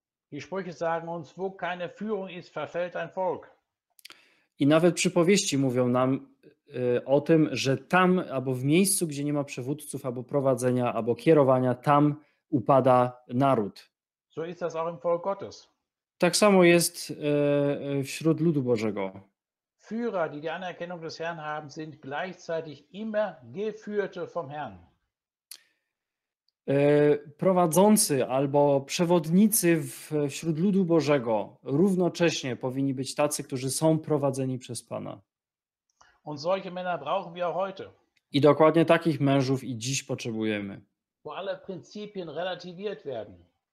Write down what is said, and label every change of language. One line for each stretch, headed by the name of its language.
German: Die Sprüche sagen uns, wo keine Führung ist, verfällt ein Volk.
Polish: I nawet przypowieści mówią nam o tym, że tam albo w miejscu, gdzie nie ma przewódców, albo prowadzenia, albo kierowania, tam upada naród.
German: So ist das auch im Volk Gottes.
Polish: Tak samo jest wśród ludu Bożego.
German: Führer, die die Anerkennung des Herrn haben, sind gleichzeitig immer geführte vom Herrn.
Polish: Prowadzący albo przewodnicy wśród ludu Bożego równocześnie powinni być tacy, którzy są prowadzeni przez Pana.
German: Und solche Männer brauchen wir auch heute.
Polish: I dokładnie takich mężów i dziś potrzebujemy.
German: Wo alle Prinzipien relativiert werden.